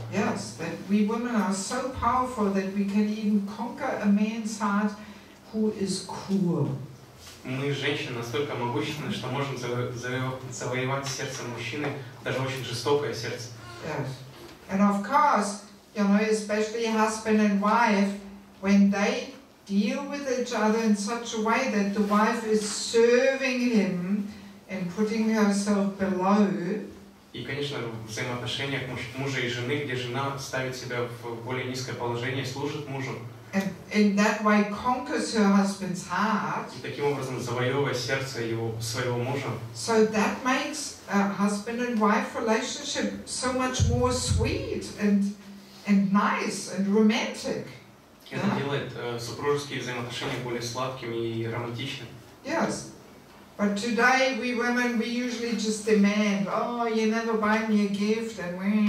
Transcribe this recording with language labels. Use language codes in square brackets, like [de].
[en] Yes, that we women are so powerful that we can even conquer a man's heart who is cruel. [ru] Мы, женщины, настолько могущественны, что можем завоевать сердце мужчины, даже очень жестокое сердце. [en] Yes. And of course, you know, especially husband and wife, when they deal with each other in such a way that the wife is serving him and putting herself below. [ru] И, конечно, в взаимоотношениях мужа и жены, где жена ставит себя в более низкое положение, служит мужу. [en] And in that way conquers her husband's heart. [ru] И таким образом завоевывает сердце его своего мужа. [en] So that makes a husband and wife relationship so much more sweet and nice and romantic. [ru] Это делает супружеские взаимоотношения более сладкими и романтичными. [en] Yes. But today we women we usually just demand, oh, you never buy me a gift and